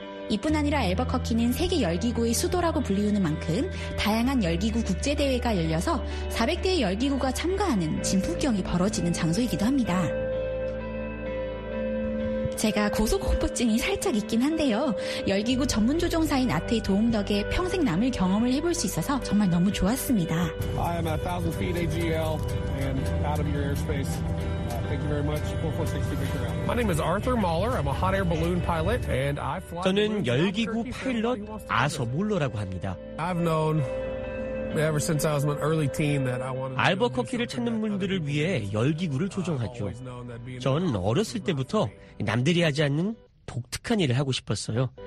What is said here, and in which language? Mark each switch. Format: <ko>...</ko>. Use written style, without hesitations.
<ko>이뿐 아니라 앨버커키는 세계 열기구의 수도라고 불리우는 만큼 다양한 열기구 국제대회가 열려서 400대의 열기구가 참가하는 진풍경이 벌어지는 장소이기도 합니다. 제가 고소공포증이 살짝 있긴 한데요. 열기구 전문 조종사인 아트의 도움 덕에 평생 남을 경험을 해볼 수 있어서 정말 너무 좋았습니다.</ko> <en>I am at 1000 feet AGL and out of your airspace. Thank you very much. 4460. My name is Arthur Mahler. I'm a hot air balloon pilot and I fly.</en> <ko>저는 열기구 파일럿 아서 몰러라고 합니다.</ko> <en>I've known ever since I was an early teen that I wanted.</en> <ko>알버커키를 찾는 분들을 위해 열기구를 조종하죠. 전 어렸을 때부터 남들이 하지 않는 독특한 일을 하고 싶었어요.</ko>